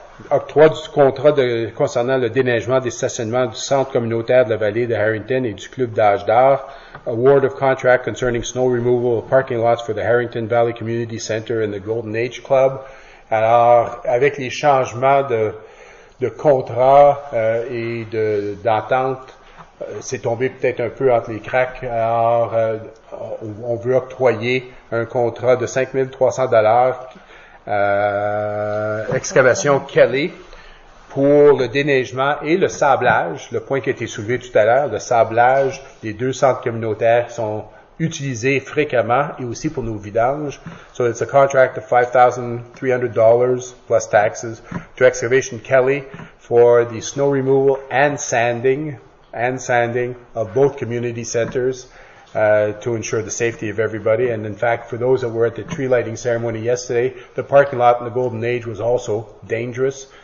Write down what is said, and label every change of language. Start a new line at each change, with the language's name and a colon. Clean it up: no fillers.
French: Octroi du contrat concernant le déneigement des stationnements du Centre communautaire de la vallée de Harrington et du Club d'âge d'art.
English: Award of contract concerning snow removal of parking lots for the Harrington Valley Community Center and the Golden Age Club.
French: Alors, avec les changements de contrat et d'entente, c'est tombé peut-être un peu entre les cracks. Alors, on veut octroyer un contrat de $5,300 excavation Kelly pour le déneigement et le sablage, le point qui a été soulevé tout à l'heure, le sablage des deux centres communautaires qui sont utilisés fréquemment et aussi pour nos vidanges.
English: So it's a contract of $5,300 plus taxes to Excavation Kelly for the snow removal and sanding of both community centers to ensure the safety of everybody. And in fact, for those that were at the tree lighting ceremony yesterday, the parking lot in the Golden Age was also dangerous.